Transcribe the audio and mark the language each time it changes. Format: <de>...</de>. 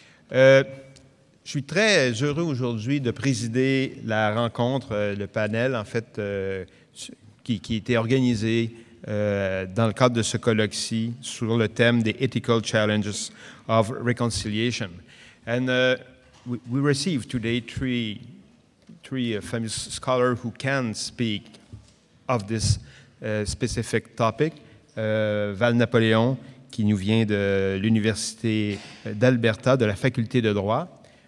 <fr>Je suis très heureux aujourd'hui de présider la rencontre, le panel, en fait, qui a été organisé dans le cadre de ce colloque-ci sur le thème des Ethical Challenges of Reconciliation.</fr> <en>And we receive today three famous scholars who can speak of this specific topic.</en> <fr>Val Napoleon, qui nous vient de l'Université d'Alberta, de la Faculté de droit.</fr>